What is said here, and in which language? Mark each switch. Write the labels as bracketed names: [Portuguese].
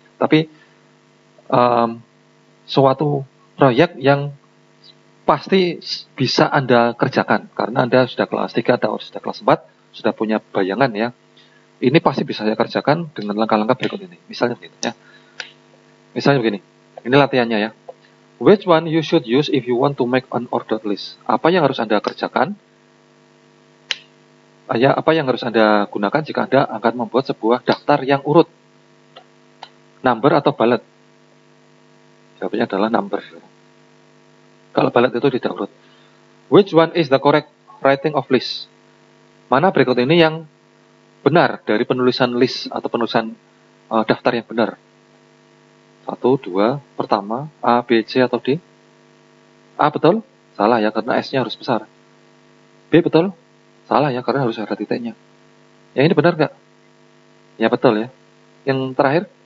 [Indonesian] Tapi suatu proyek yang pasti bisa Anda kerjakan, karena Anda sudah kelas 3 atau sudah kelas 4, sudah punya bayangan ya. Ini pasti bisa saya kerjakan dengan langkah-langkah berikut ini. Misalnya begini ya. Misalnya begini. Ini latihannya ya. [English] Which one you should use if you want to make an order list? [Indonesian] Apa yang harus Anda kerjakan? Ya, apa yang harus Anda gunakan jika Anda akan membuat sebuah daftar yang urut? Number atau bullet? Jawabannya adalah number. Kalau bullet itu tidak urut. [English] Which one is the correct writing of list? [Indonesian] Mana berikut ini yang benar dari penulisan list atau penulisan daftar yang benar? 1, 2, pertama, A, B, C, atau D? A, betul? Salah ya, karena S-nya harus besar. B, betul? Salah ya, karena harus ada titiknya. Yang ini benar nggak? Ya, betul ya. Yang terakhir?